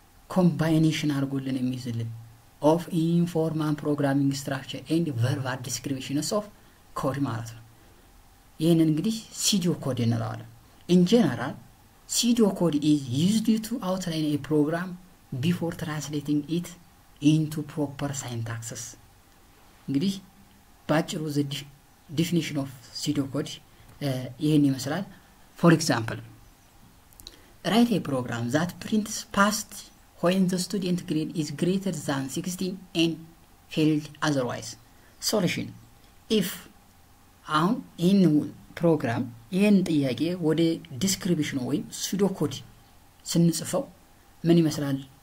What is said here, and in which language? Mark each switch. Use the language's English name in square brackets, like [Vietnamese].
[Amharic] ኮምባይኔሽን አድርጎልን የሚይዝልን ኦፍ ኢንፎርማል ፕሮግራሚንግ ስትራክቸር ኤንድ ቨርባል ዲስክሪፕሽን ኦፍ ኮድ ማለት ነው። ይህንን እንግዲህ ሲዲዮ ኮድ እንለዋለን። ኢን ጀነራል [English] Pseudo code is used to outline a program before translating it into proper syntax. [Amharic] እንግዲህ ባጭሩ [English] the definition of pseudo code [Amharic] ይሄን ይመስላል። [English] For example, write a program that prints passed when the student grade is greater than 16 and failed otherwise. Solution: if on in [Amharic] ፕሮግራም ይህን ጥያቄ ወደ ዲስክሪፕሽን ወይም ሱዶ ኮድ ስንጽፈው ምን ይመስላል?